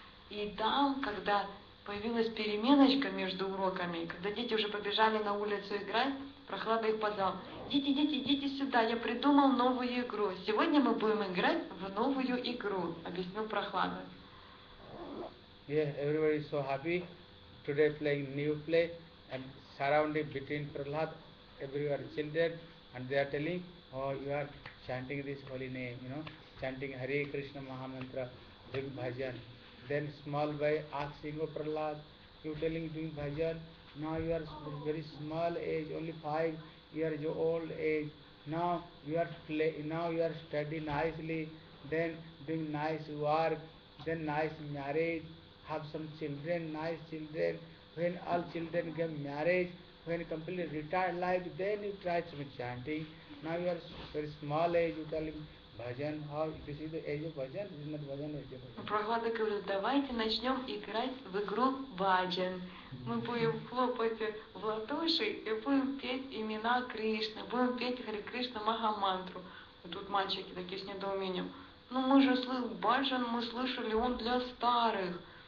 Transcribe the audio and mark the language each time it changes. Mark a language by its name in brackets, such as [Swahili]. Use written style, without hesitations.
[Russian] И там, когда появилась переменочка между уроками, когда дети уже побежали на улицу играть, Прохлада их позвал. Дети сюда, я придумал новую игру. Сегодня мы будем играть в новую игру, объяснил Прохлада. [English] Yeah, everybody is so happy. Today playing new play and surrounding between Prahlad, everywhere children, and they are telling, oh, you are chanting this holy name, you know, chanting Hare Krishna Mahamantra, doing bhajan. Then small boy asking of Prahlad, you telling doing bhajan, now you are very small age, only 5 years old age, now you are play, now you are studying nicely, then doing nice work, then nice marriage, have some children, nice children, when all children get marriage, when completely retired life, then you try some chanting, now you are very small age, you telling bhajan, how this is the age of bhajan, this is not bhajan, age of bhajan. [Russian] Прохлада говорит, давайте начнем играть в игру bhajan. Мы будем хлопать в ладоши и будем петь имена Кришны, будем петь Хари Кришна Махамантру. И тут мальчики такие с недоумением. Ну мы же слышали bhajan, мы слышали, он для старых.